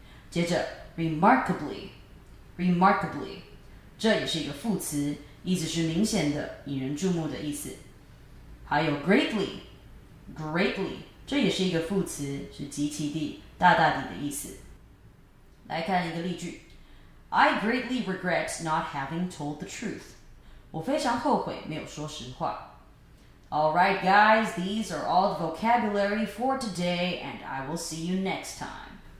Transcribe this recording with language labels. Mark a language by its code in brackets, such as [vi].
[zh] 我们的预算被大大的删减。接着，remarkably. [en] Remarkably. [zh] 这也是一个副词, 意思是明显的, 引人注目的意思。还有greatly, greatly, 这也是一个副词, 是极其地, 大大地的意思。来看一个例句, [en] I greatly regret not having told the truth. [zh] 我非常后悔没有说实话。 [en] Alright guys, these are all the vocabulary for today, and I will see you next time.